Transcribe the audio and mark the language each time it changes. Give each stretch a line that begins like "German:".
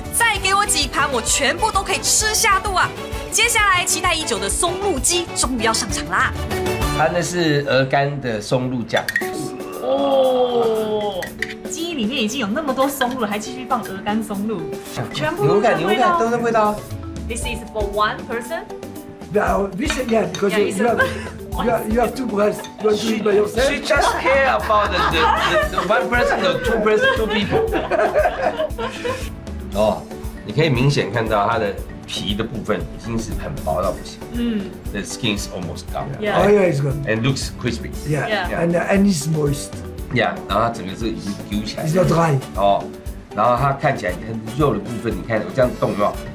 Chinese: 再给我几盘，我全部都可以吃下肚啊！接下来期待已久的松露鸡终于要上场啦。它那是鹅肝的松露酱。哦，鸡里面已经有那么多松露，还继续放鹅肝松露，全部牛肝牛肝都是味道。
English: This is for one person. Now this again because you have two breasts. You are doing by yourself. She just care about the one person or two person two people.
Chinese: 哦，你可以明显看到它的皮的部分已经是很薄到不行。
English: The skin is almost gone. Yeah. Oh yeah, it's gone. And looks crispy. Yeah. And it's moist. Yeah.
Chinese: 然后它整个是已经揪起来。
English: It's not dry.
Chinese: 哦，然后它看起来，它肉的部分，你看我这样动有没有？